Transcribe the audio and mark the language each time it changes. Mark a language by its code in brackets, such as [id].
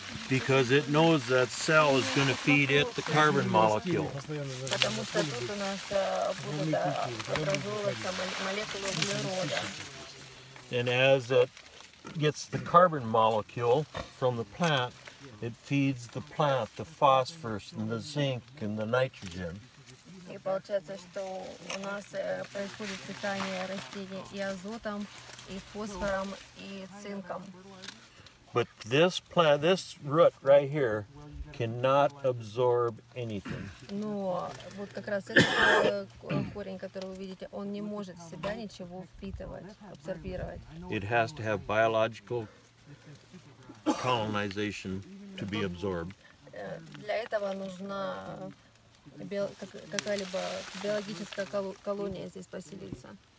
[en] Because it knows that cell is going to feed it the carbon molecule. [ru] Потому что тут у нас образовывается молекула углерода. [en] And as it gets the carbon molecule from the plant, it feeds the plant the phosphorus and the zinc and the nitrogen. [ru] И получается, что у нас происходит питание растений и азотом, и фосфором, и цинком. [en] But this plant, this root right here, cannot absorb anything. [ru] Но вот как раз этот корень, который вы видите, он не может в себя ничего впитывать, абсорбировать. [en] It has to have biological colonization to be absorbed. [ru] Для этого нужна какая-либо биологическая колония здесь поселиться.